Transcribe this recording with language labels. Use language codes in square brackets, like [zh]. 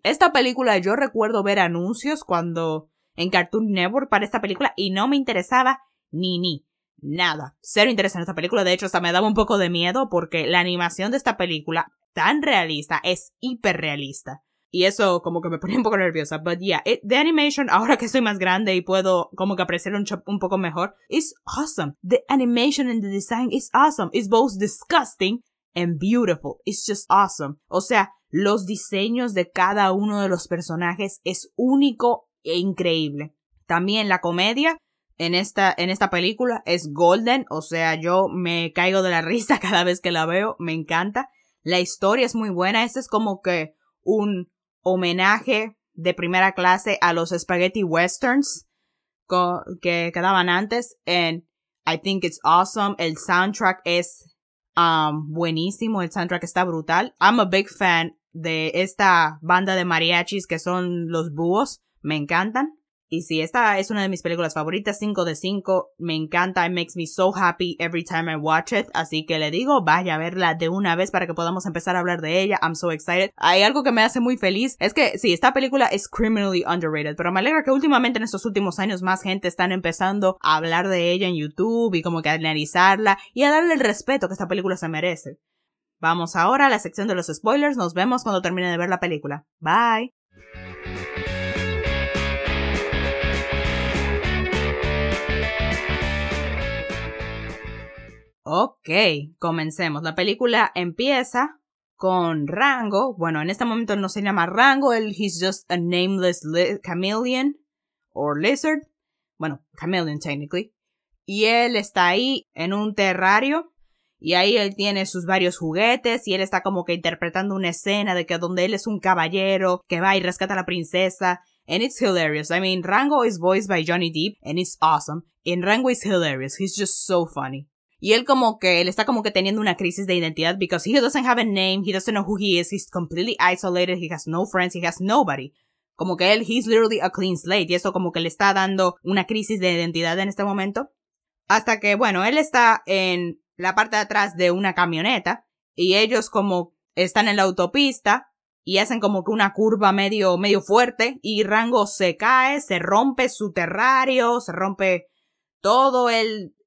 [es] Esta película, yo recuerdo ver anuncios cuando en Cartoon Network para esta película y no me interesaba ni nada. Cero interés en esta película, de hecho hasta me daba un poco de miedo porque la animación de esta película, tan realista, es hiperrealista. Y eso como que me ponía un poco nerviosa. [en] But yeah, the animation, [es] ahora que soy más grande y puedo como que apreciar un poco mejor, [en] is awesome. The animation and the design is awesome. It's both disgusting and beautiful. It's just awesome. [es] O sea, los diseños de cada uno de los personajes es único e increíble. También la comedia en esta película es golden. O sea, yo me caigo de la risa cada vez que la veo. Me encanta. La historia es muy buena. Esta es como que... un homenaje de primera clase a los spaghetti westerns que quedaban antes. [en] And I think it's awesome. [es] El soundtrack es buenísimo. El soundtrack está brutal. [en] I'm a big fan [es] de esta banda de mariachis que son los búhos. Me encantan. Y sí, esta es una de mis películas favoritas. 5 de 5. Me encanta. [en] It makes me so happy every time I watch it. [es] Así que le digo, vaya a verla de una vez para que podamos empezar a hablar de ella. [en] I'm so excited. [es] Hay algo que me hace muy feliz. Es que sí, esta película es [en] criminally underrated. [es] Pero me alegra que últimamente en estos últimos años más gente están empezando a hablar de ella en YouTube. Y como que a analizarla. Y a darle el respeto que esta película se merece. Vamos ahora a la sección de los spoilers. Nos vemos cuando termine de ver la película. Bye. Ok, comencemos. La película empieza con Rango. Bueno, en este momento no se llama Rango. [en] Él, he's just a nameless chameleon or lizard. Bueno, chameleon technically. [es] Y él está ahí en un terrario. Y ahí él tiene sus varios juguetes. Y él está como que interpretando una escena de que donde él es un caballero que va y rescata a la princesa. [en] And it's hilarious. I mean, Rango is voiced by Johnny Depp. And it's awesome. And Rango is hilarious. He's just so funny. [es] Y él como que, él está como que teniendo una crisis de identidad [en] because he doesn't have a name, he doesn't know who he is, he's completely isolated, he has no friends, he has nobody. [es] Como que él, [en] he's literally a clean slate, [es] y eso como que le está dando una crisis de identidad en este momento. Hasta que, bueno, él está en la parte de atrás de una camioneta, y ellos como están en la autopista, y hacen como que una curva medio fuerte, y Rango se cae, se rompe su terrario, se rompe todo el...